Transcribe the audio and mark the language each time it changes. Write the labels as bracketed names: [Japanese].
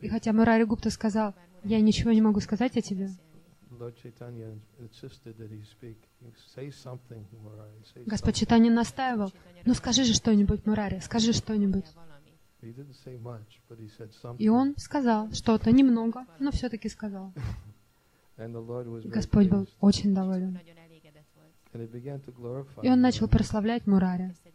[Russian] И хотя Мурари Гупта сказал: "Я ничего не могу сказать о тебе." [English] Lord Chaitanya insisted that he speak. Say something, Murari. [Russian] Господь Чайтанья настаивал. Ну скажи же что-нибудь, Мурари, скажи что-нибудь. [English] He didn't say much, but he said something. [Russian] И он сказал что-то немного, но все-таки сказал. [English] And the Lord was [Russian] Господь был очень доволен. [English] And he began to glorify. [Russian] И он начал прославлять Мурари.